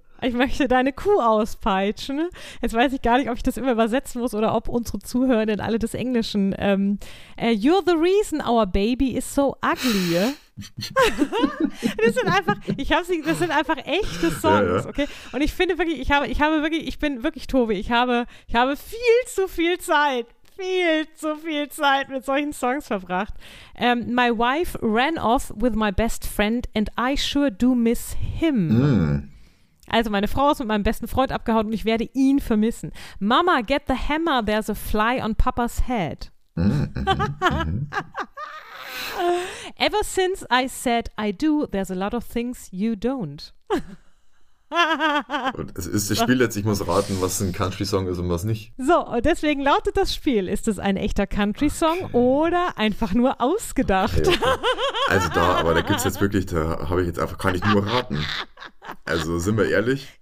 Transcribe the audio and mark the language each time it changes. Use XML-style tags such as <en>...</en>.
<de>Ich möchte deine Kuh auspeitschen. Jetzt weiß ich gar nicht, ob ich das immer übersetzen muss oder ob unsere Zuhörenden alle des Englischen.</de> <en>You're the reason our baby is so ugly.</en> <de>Das sind einfach, das sind einfach echte Songs, okay? Und ich finde wirklich, ich habe viel zu viel Zeit. Viel zu viel Zeit mit solchen Songs verbracht.</de> <en>My wife ran off with my best friend and I sure do miss him. Mm.</en> <de>Also meine Frau ist mit meinem besten Freund abgehauen und ich werde ihn vermissen.</de> <en>Mama, get the hammer, there's a fly on Papa's head. Ever since I said I do, there's a lot of things you don't.</en> <de>Und es ist das Spiel jetzt, ich muss raten, was ein Country-Song ist und was nicht. So, deswegen lautet das Spiel, ist es ein echter Country-Song oder einfach nur ausgedacht? Okay. Also da, aber da gibt es jetzt wirklich, da habe ich jetzt einfach, kann ich nur raten. Also sind wir ehrlich?</de>